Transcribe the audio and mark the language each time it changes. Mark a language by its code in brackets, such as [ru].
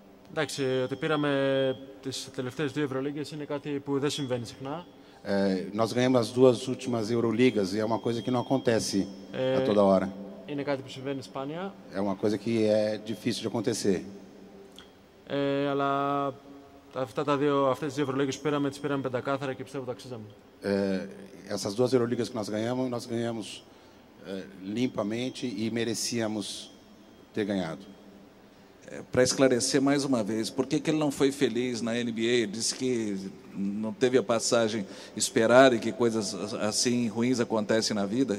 [el] Εντάξει, ότι πήραμε τις τελευταίες δύο Ευρωλίγκες είναι κάτι που δεν συμβαίνει συχνά. [pt] Nós ganhamos as duas últimas Euroligas e é uma coisa que não acontece a toda hora. [el] Είναι κάτι που συμβαίνει σπάνια. [pt] É uma coisa que é difícil de acontecer. [el] Αλλά αυτές τις δύο Ευρωλίγκες που πήραμε, τις πήραμε πεντακάθαρα και πιστεύω ότι αξίζαμε. [pt] Essas duas Euroligas que nós ganhamos limpamente e merecíamos ter ganhado. Para esclarecer mais uma vez, por que ele não foi feliz na NBA? Ele disse que não teve a passagem esperada e que coisas assim ruins acontecem na vida.